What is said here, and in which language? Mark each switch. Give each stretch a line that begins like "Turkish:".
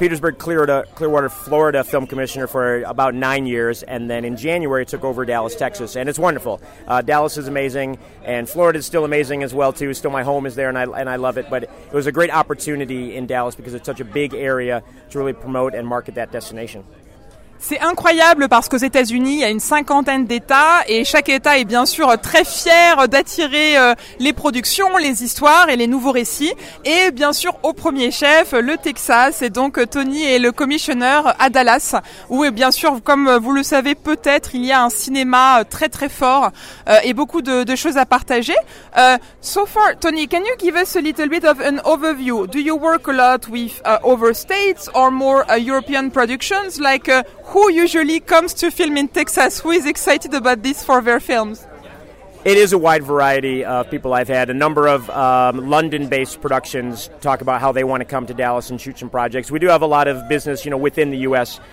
English: Petersburg, Clearwater, Florida film commissioner for about 9 years, and then in January I took over Dallas, Texas, and it's wonderful. Dallas is amazing, and Florida is still amazing as well, too. Still my home is there, and I love it, but it was a great opportunity in Dallas because it's such a big area to really promote and market that destination.
French: C'est incroyable parce qu'aux États-Unis, il y a une cinquantaine d'États et chaque État est bien sûr très fier d'attirer les productions, les histoires et les nouveaux récits. Et bien sûr, au premier chef, le Texas. Et donc, Tony est le commissionneur à Dallas, où bien sûr, comme vous le savez peut-être, il y a un cinéma très très fort et beaucoup de choses à partager.
English: So far, Tony, can you give us a little bit of an overview? Do you work a lot with other states or more European productions? Like, who usually comes to film in Texas? Who is excited about this for their films? It is a wide variety of people. I've had a number of London-based productions talk about how they want to come to Dallas and shoot some projects. We do have a lot of business, you know, within the U.S.